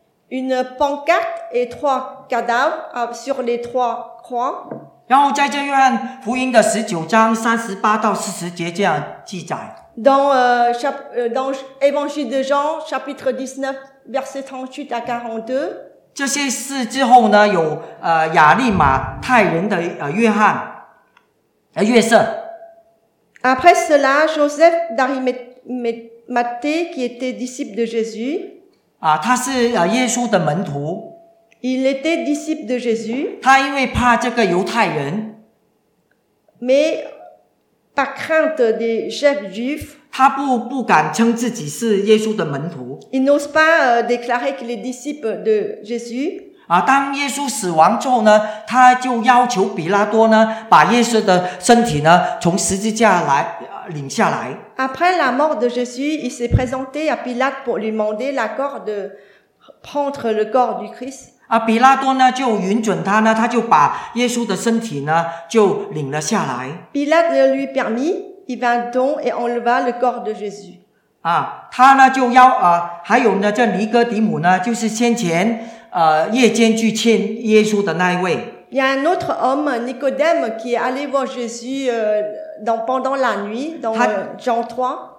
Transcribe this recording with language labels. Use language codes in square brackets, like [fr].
[fr] Une pancarte et trois cadavres sur les trois croix. [zh] 然后在这约翰福音的19:38-40这样记载。 [fr] Dans l'évangile de Jean, chapitre 19, verset 38 à 42. [zh] 这些事之后呢，有亚利马太人的约翰，约瑟。 [fr] Après cela, Joseph d'Arimathée, qui était disciple de Jésus. [zh] 他是耶稣的门徒。 [fr] Il était disciple de Jésus. [zh] 他因为怕这个犹太人。 [fr] Mais par crainte des chefs juifs, [zh] 他不敢称自己是耶稣的门徒。 [fr] Il n'ose pas déclarer qu'il est disciple de Jésus. [zh] 当耶稣死亡之后呢，他就要求比拉多呢，把耶稣的身体呢，从十字架来领下来。 [fr] Après la mort de Jésus, il s'est présenté à Pilate pour lui demander l'accord de prendre le corps du Christ. [zh] 比拉多呢就允准他呢，他就把耶稣的身体呢就领了下来。 [fr] Pilate lui permit, il vint donc et enleva le corps de Jésus. [zh] 他呢就要还有呢这尼哥底母呢，就是先前夜间去见耶稣的那一位。 [fr] Il y a un autre homme, Nicodème, qui est allé voir Jésus pendant la nuit, dans Jean 3.